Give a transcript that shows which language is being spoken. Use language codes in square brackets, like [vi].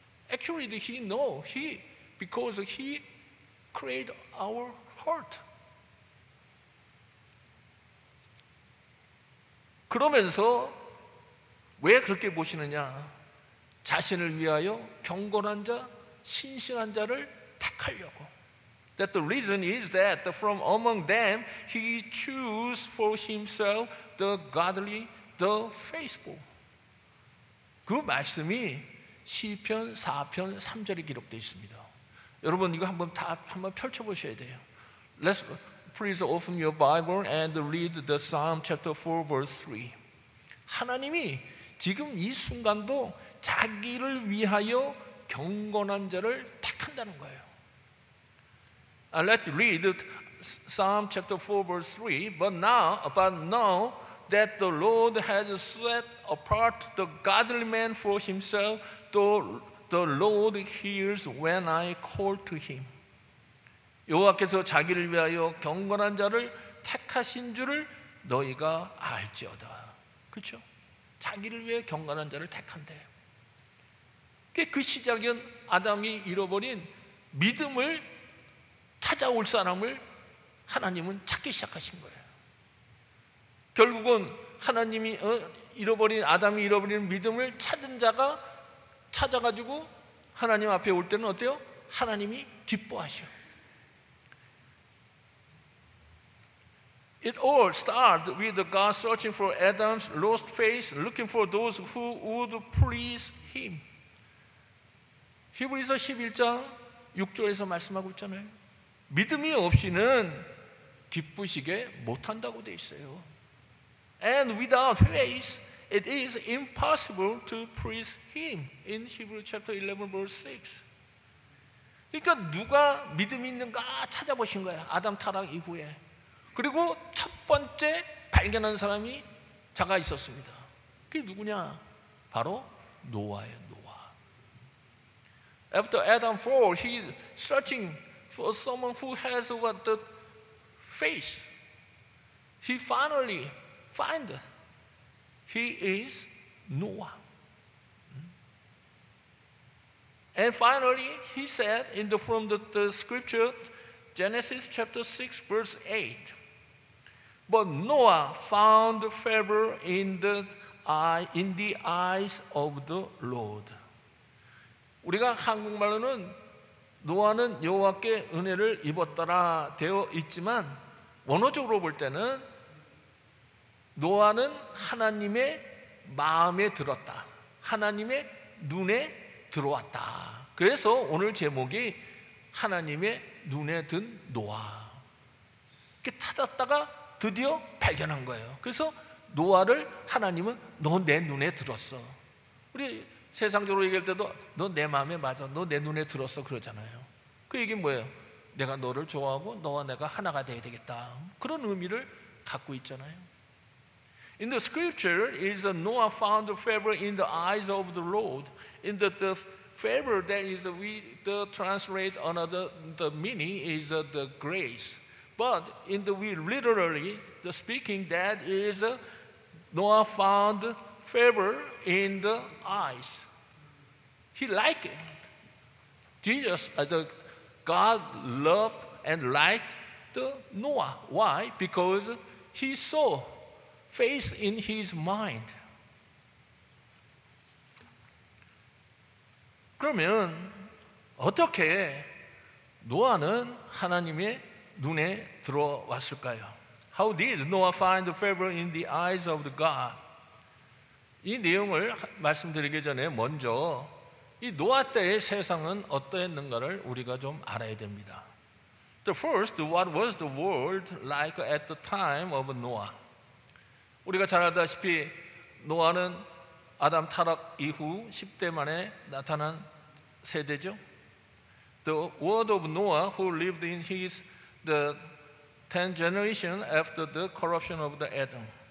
[en] Actually, He know He because He created our heart. [ko] 그러면서 왜 그렇게 보시느냐? 자신을 위하여 경건한 자, 신실한 자를 택하려고. [en] That the reason is that from among them He choose for Himself the godly, the faithful. [ko] 그 말씀이 시편 4편 3절에 기록되어 있습니다. 여러분 이거 한번 펼쳐보셔야 돼요. [en] Let's please open your Bible and read the Psalm chapter 4 verse 3. [ko] 하나님이 지금 이 순간도 자기를 위하여 경건한 자를 택한다는 거예요. [en] Let's read Psalm chapter 4 verse 3. But now that the Lord has set apart the godly man for Himself, the Lord hears when I call to Him. [ko] 여호와께서 자기를 위하여 경건한 자를 택하신 줄을 너희가 알지어다. 그렇죠? 자기를 위해 경건한 자를 택한대. 그 시작은 아담이 잃어버린 믿음을 찾아올 사람을 하나님은 찾기 시작하신 거예요. 결국은 하나님이 아담이 잃어버린 믿음을 찾은 자가 찾아가지고 하나님 앞에 올 때는 어때요? 하나님이 기뻐하셔. [en] It all started with God searching for Adam's lost face, looking for those who would please Him. [ko] 히브리서 11장 6절에서 말씀하고 있잖아요. 믿음이 없이는 기쁘시게 못한다고 돼 있어요. [en] And without faith, it is impossible to please Him. In Hebrews chapter 11, verse 6. [ko] 그러니까 누가 믿음이 있는가 찾아보신 거예요. 아담 타락 이후에. 그리고 첫 번째 발견한 사람이 자가 있었습니다. 그게 누구냐? 바로 노아예요, 노아. [en] After Adam fall, he is searching for someone who has what the faith. He finally find He is Noah. And finally, he said in the from the scripture, Genesis chapter 6, verse 8, but Noah found favor in the eyes of the Lord. [ko] 우리가 한국말로는 노아는 여호와께 은혜를 입었더라 되어 있지만 원어적으로 볼 때는 노아는 하나님의 마음에 들었다. 하나님의 눈에 들어왔다. 그래서 오늘 제목이 하나님의 눈에 든 노아. 이렇게 찾았다가 드디어 발견한 거예요. 그래서 노아를 하나님은 너 내 눈에 들었어. 우리 세상적으로 얘기할 때도 너 내 마음에 맞아. 너 내 눈에 들었어 그러잖아요. 그 얘기는 뭐예요? 내가 너를 좋아하고 너와 내가 하나가 돼야 되겠다. 그런 의미를 갖고 있잖아요. [en] In the scripture is Noah found favor in the eyes of the Lord. In the favor that is we the translate another the meaning is the grace. But in the we literally the speaking that is Noah found favor in the eyes. He liked it. Jesus, God loved and liked the Noah. Why? Because he saw faith in his mind. [ko] 그러면 어떻게 노아는 하나님의 눈에 들어왔을까요? [en] How did Noah find favor in the eyes of the God? [ko] 이 내용을 말씀드리기 전에 먼저 이 노아 때의 세상은 어떠했는가를 우리가 좀 알아야 됩니다. [en] The first, what was the world like at the time of Noah? [ko] 우리가 잘 알다시피 노아는 아담 타락 이후 10대 만에 나타난 세대죠. [en] The world of Noah who lived in his the 10th generation after the corruption of the Adam.